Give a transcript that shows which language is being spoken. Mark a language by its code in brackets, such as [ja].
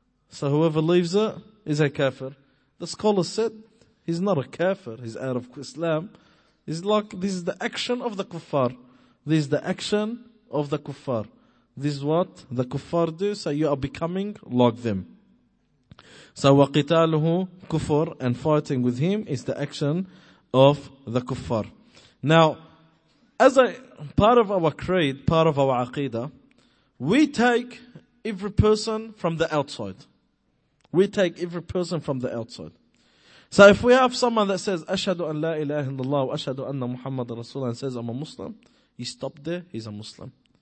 [en] So whoever leaves it is a kafir. The scholar said, he's not a kafir, he's out of Islam. It's like, this is the action of the kuffar. This is the action of the kuffar. This is what the kuffar do, so you are becoming like them. [ar] So وَقِتَالُهُ كُفُر. [en] And fighting with him is the action of the kuffar. Now, as a part of our creed, part of our aqidah, we take every person from the outside. We take every person from the outside. So if we have someone that says, [ar] أَشْهَدُ أَنْ لَا إِلَٰهِ إِلَّا اللَّهُ وَأَشْهَدُ أَنَّ مُحَمَّدَ رَسُولَهُ [en] and says, I'm a Muslim, he stopped there, he's a Muslim.